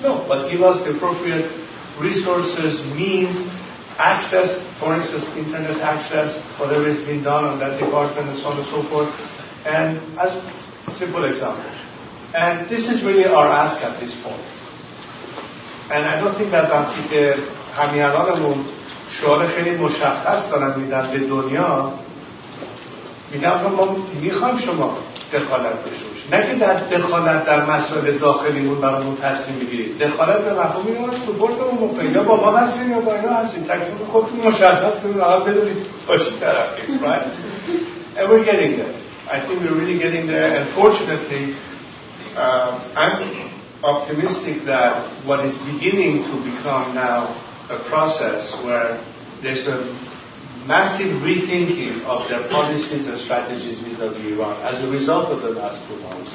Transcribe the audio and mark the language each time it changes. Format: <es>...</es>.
<en>No, but give us the appropriate resources, means, access, for instance, internet access, whatever is being done on that department, and so on and so forth. And as simple example. And this is really our ask at this point. And I don't think that</en> <fa>وقتی که همین الانمون شعار خیلی مشخص دارن میدن به دنیا میگن ما میخوایم شما دخالت داشته باشید، نه که در دخالت در مسائل داخلیمون برامون تصمیم بگیرید، دخالت به مفهوم اینه که سپورتمون بکنید، یا با ما هستین یا با اینا هستین، تکلیف خودتون مشخص کنید، راحت بدونید با چی طرفیم.</fa> <en>Right? And we're getting there. I think we're really getting there. Unfortunately, I'm optimistic that what is beginning to become now a process where there's a massive rethinking of their policies and strategies vis-à-vis Iran as a result of the last 2 months.</en>